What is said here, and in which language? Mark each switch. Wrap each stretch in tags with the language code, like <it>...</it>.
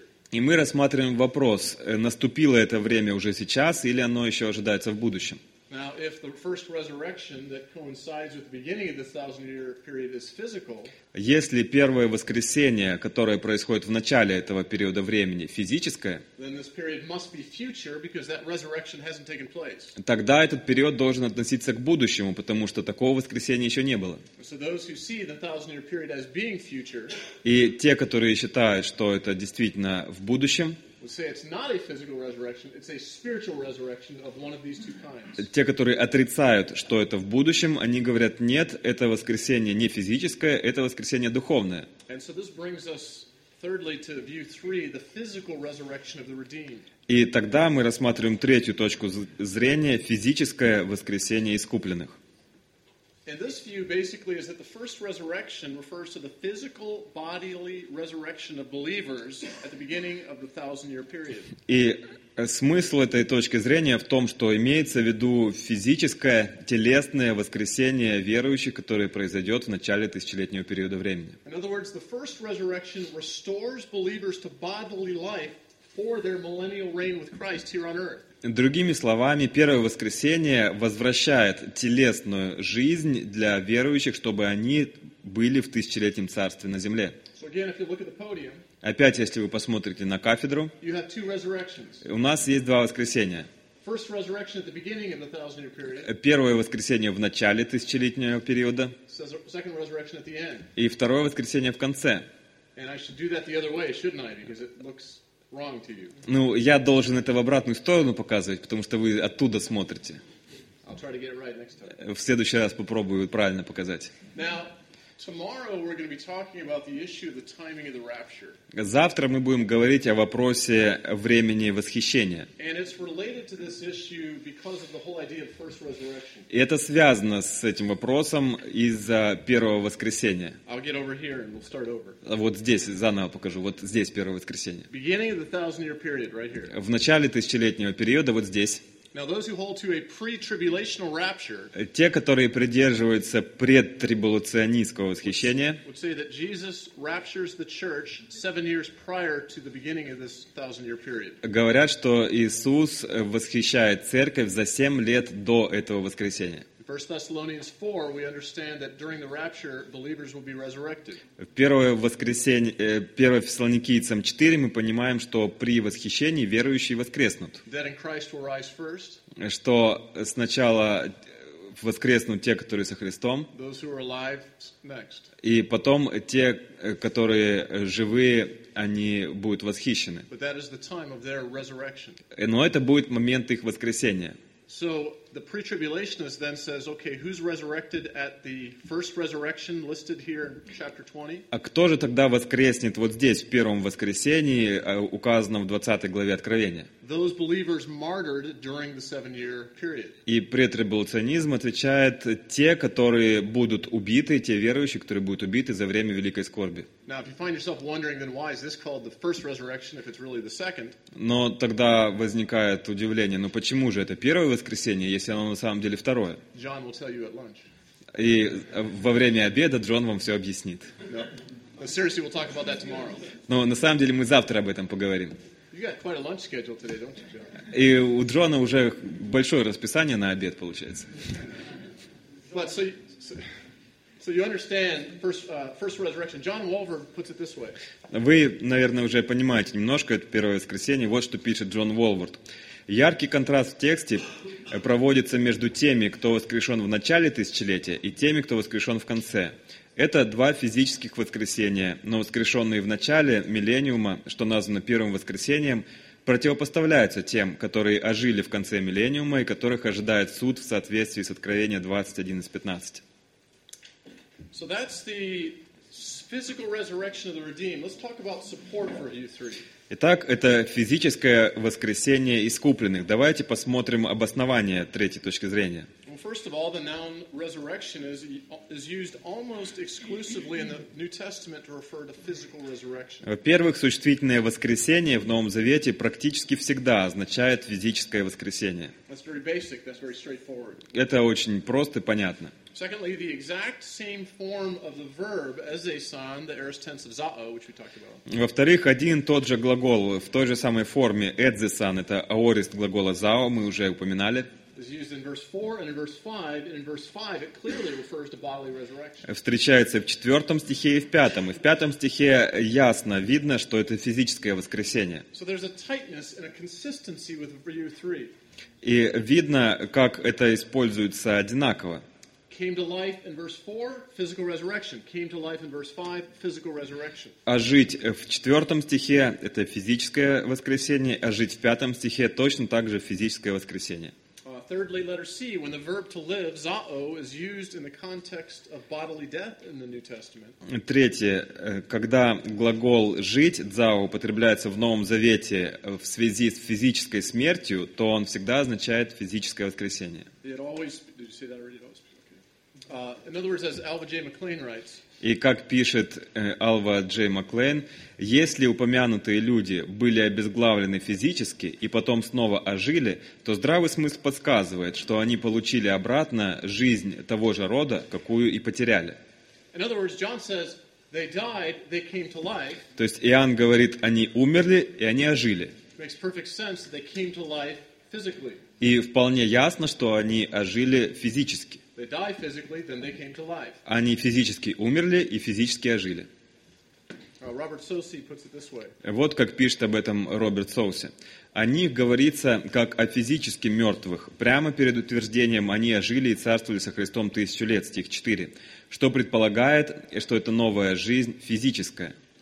<ru>И мы рассматриваем вопрос, наступило это время уже сейчас или оно еще ожидается в будущем.</ru> <en>Now, if the first resurrection that coincides with the beginning of the 1,000-year period is physical,</en> <ru>если первое воскресение, которое происходит в начале этого периода времени, физическое,</ru> <en>then this period must be future because that resurrection hasn't taken place.</en> <ru>Тогда этот период должен относиться к будущему, потому что такого воскресения еще не было.</ru> <en>So those who see the 1,000-year period as being future,</en> <ru>и те, которые считают, что это действительно в будущем,</ru> <en>would say it's not a physical resurrection, it's a spiritual resurrection of one of these two kinds.</en> <ru>Те, которые отрицают, что это в будущем, они говорят, нет, это воскресение не физическое, это воскресение духовное.</ru> <en>And so this brings us thirdly to view three, the physical resurrection of the redeemed.</en> <ru>И тогда мы рассматриваем третью точку зрения, физическое воскресение искупленных.</ru> <en>And this view basically is that the first resurrection refers to the physical bodily resurrection of believers at the beginning of the thousand-year period.</en> <ru>И смысл этой точки зрения в том, что имеется в виду физическое, телесное воскресение верующих, которое произойдет в начале тысячелетнего периода времени.</ru> <en>In other words, the first resurrection restores believers to bodily life for their millennial reign with Christ here on earth.</en> <ru>Другими словами, первое воскресение возвращает телесную жизнь для верующих, чтобы они были в тысячелетнем царстве на земле.</ru> <en>So again, if you look at the podium,</en> <ru>опять, если вы посмотрите на кафедру,</ru> <en>you have two resurrections.</en> <ru>У нас есть два воскресения.</ru> <en>First resurrection at the beginning of the thousand-year period.</en> <ru>Первое воскресение в начале тысячелетнего периода.</ru> <en>Second resurrection at the end.</en> <ru>И второе воскресение в конце.</ru> <en>And I should do that the other way, shouldn't I? Because it looks... Wrong to you.</en> <ru>Ну, я должен это в обратную сторону показывать, потому что вы оттуда смотрите.</ru> <en>I'll try to get it right next time.</en> <ru>В следующий раз попробую правильно показать.</ru> <en>Now, tomorrow we're going to be talking about the issue of the timing of the rapture.</en> <ru>Завтра мы будем говорить о вопросе времени восхищения.</ru> <en>And it's related to this issue because of the whole idea of first resurrection.</en> <ru>И это связано с этим вопросом из-за первого воскресения.</ru> <en>I'll get over here and we'll start over.</en> <ru>Вот здесь заново покажу. Вот здесь первое воскресение.</ru> <en>Beginning of the thousand-year period, right here.</en> <ru>В начале тысячелетнего периода вот здесь.</ru> <en>Now those who hold to a pre-tribulational rapture,</en> <ru>те, которые придерживаются предтрибуляционистского восхищения,</ru> <en>would say that Jesus raptures the church 7 years prior to the beginning of this thousand-year period.</en> <ru>Говорят, что Иисус восхищает церковь за 7 лет до этого воскресения.</ru> <en>In 1 Thessalonians 4, we understand that during the rapture, believers will be resurrected.</en> <ru>В первое воскресенье, 1 Фессалоникийцам 4, мы понимаем, что при восхищении верующие воскреснут.</ru> <en>That in Christ will rise first.</en> <ru>Что сначала воскреснут те, которые со Христом.</ru> <en>Those who are alive next.</en> <ru>И потом те, которые живые, они будут восхищены.</ru> <en>But that is the time of their resurrection.</en> <ru>Но это будет момент их воскресения.</ru> <en>So the pre-tribulationist then says, okay, who's resurrected at the first resurrection listed here in chapter 20?</en> <ru>А кто же тогда воскреснет вот здесь в первом воскресении, указанном в 20 главе Откровения?</ru> <en>Those believers martyred during the 7-year period.</en> <ru>И претрибуляционизм отвечает: те, которые будут убиты, те верующие, которые будут убиты за время великой скорби.</ru> <en>Now, if you find yourself wondering, then why is this called the first resurrection if it's really the second?</en> <ru>Но тогда возникает удивление: но почему же это первое воскресение, если оно на самом деле второе?</ru> <en>John will tell you at lunch.</en> <ru>И во время обеда Джон вам все объяснит.</ru> <en>No. Seriously, we'll talk about that tomorrow.</en> <ru>Но на самом деле мы завтра об этом поговорим.</ru> <en>You got quite a lunch schedule today, don't you, John?</en> <ru>И у Джона уже большое расписание на обед получается.</ru> <en>But so you understand first resurrection. John Wolverd puts it this way.</en> <ru>Вы, наверное, уже понимаете немножко это первое воскресенье. Вот что пишет Джон Уолвард. Яркий контраст в тексте проводится между теми, кто воскрешен в начале тысячелетия, и теми, кто воскрешен в конце. Это два физических воскресения, но воскрешенные в начале миллениума, что названо первым воскресением, противопоставляются тем, которые ожили в конце миллениума и которых ожидает суд в соответствии с Откровением 21:15.</ru> <en>So that's the physical resurrection of the redeemed. Let's talk about support for you three.</en> <ru>Итак, это физическое воскресение искупленных. Давайте посмотрим обоснование третьей точки зрения.</ru> <en>Well, first of all, the noun resurrection is used almost exclusively in the New Testament to refer to physical resurrection.</en> <ru>Во-первых, существительное воскресение в Новом Завете практически всегда означает физическое воскресение.</ru> <en>That's very basic. That's very straightforward.</en> <ru>Это очень просто и понятно.</ru> <en>Secondly, the exact same form of the verb eisein, the aorist tense of zao, which we talked about.</en> <ru>Во-вторых, один и тот же глагол в той же самой форме eisein, это аорист глагола zao, мы уже упоминали.</ru> <en>Is used in verse 4 and in verse 5, and in verse 5 it clearly refers to bodily resurrection.</en> <ru>Встречается в 4 стихе и в 5. И в 5 стихе ясно видно, что это физическое воскресение.</ru> <en>So there's a tightness and a consistency with view 3.</en> <ru>И видно, как это используется одинаково.</ru> <en>Came to life in verse 4, physical resurrection. Came to life in verse 5, physical resurrection.</en> <ru>А жить в 4 стихе – это физическое воскресение, а жить в 5 стихе – точно так же физическое воскресение.</ru> <en>thirdly, letter C, when the verb to live, zao, is used in the context of bodily death in the New Testament.</en> <ru>Третье, когда глагол жить, зао, употребляется в Новом Завете в связи с физической смертью, то он всегда означает физическое воскресение.</ru> <en>It always, did you say that already? Okay. In other words, as Alva J. McLean writes,</en> <ru>и как пишет Алва Джей Маклейн, если упомянутые люди были обезглавлены физически и потом снова ожили, то здравый смысл подсказывает, что они получили обратно жизнь того же рода, какую и потеряли.</ru> <en>In other words, John says, they died, they came to life.</en> <ru>То есть Иоанн говорит, они умерли и они ожили.</ru> <en>Makes perfect sense that they came to life physically.</en> <ru>И вполне ясно, что они ожили физически.</ru> <en>They die physically, then they came to life.</en> <ru>Они физически умерли и физически ожили.</ru> <en>Robert Soucy puts it this way.</en> <ru>Вот как пишет об этом Роберт Соуси. О них говорится как о физически мертвых. Прямо перед утверждением «они ожили и царствовали со Христом 1000 лет», стих 4, что предполагает, что это новая жизнь физическая.</ru>